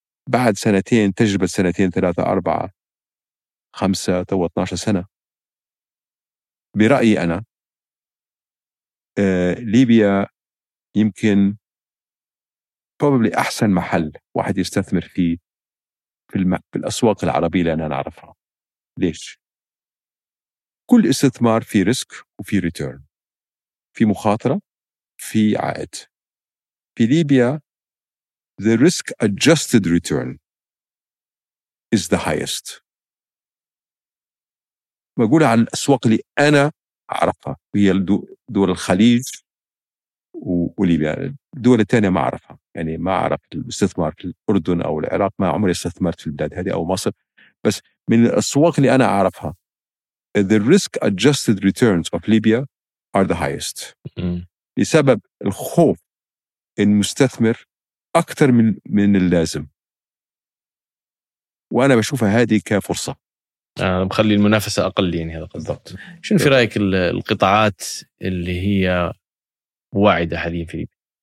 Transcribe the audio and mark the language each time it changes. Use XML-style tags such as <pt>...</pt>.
<ar>بعد سنتين تجربة، سنتين ثلاثة أربعة خمسة تو 12 سنة، برأيي أنا ليبيا يمكن</ar> <en>probably</en> <ar>أحسن محل واحد يستثمر فيه في في الأسواق العربية اللي أنا نعرفها. ليش؟ كل استثمار في ريسك وفي ريتيرن، في مخاطرة في عائد. في ليبيا</ar> <en>the risk adjusted return is the highest.</en> <ar>بقول عن الأسواق اللي أنا أعرفها، هي دول الخليج وليبيا. الدول الثانية ما أعرفها، يعني ما أعرف الاستثمار في الأردن أو العراق، ما عمري استثمرت في البلاد هذه أو مصر. بس من الأسواق اللي أنا أعرفها</ar> <en>the risk adjusted returns of Libya are the highest.</en> <ar>لسبب الخوف إن مستثمر أكثر من اللازم، وأنا بشوفها هذه كفرصة. مخلي المنافسة أقل يعني، هذا بالضبط. شنو في رأيك القطاعات اللي هي واعدة حاليا في ليبيا؟</ar>